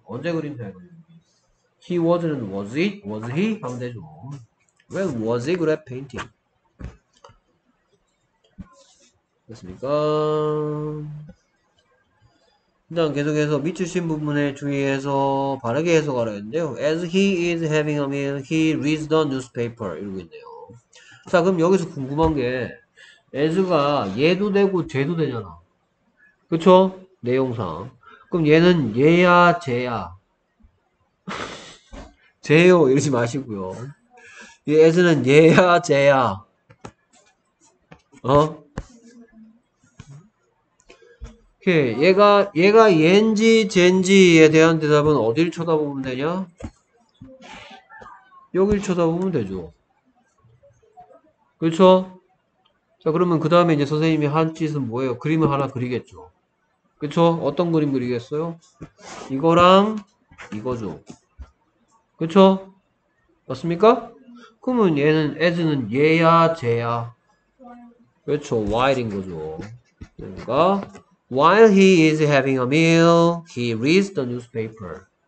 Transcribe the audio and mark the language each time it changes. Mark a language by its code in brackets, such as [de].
[ko] 언제 그림 잘 그렸는지. [en] He wasn't, was it? Was he? [ko] 하면 되죠. [en] When was he good at painting? [ko] 됐습니까? 일단 계속해서 밑줄 친 부분에 주의해서 바르게 해석하라 했는데요. [en] As he is having a meal, he reads the newspaper. [ko] 이러고 있네요. 자, 그럼 여기서 궁금한 게, as가 얘도 되고 쟤도 되잖아. 그쵸? 내용상. 그럼 얘는 얘야, 쟤야? 쟤요. 이러지 마시고요. 이 as는 얘야, 쟤야? 어? 얘가 얘인지 쟨지에 대한 대답은 어디를 쳐다보면 되냐? 여기를 쳐다보면 되죠. 그렇죠? 자, 그러면 그 다음에 이제 선생님이 한 짓은 뭐예요? 그림을 하나 그리겠죠. 그렇죠? 어떤 그림 그리겠어요? 이거랑 이거죠. 그렇죠? 맞습니까? 그러면 얘는 as는 얘야, 쟤야? 그렇죠? while인 거죠. 그러니까. [en] While he is having a meal, he reads the newspaper.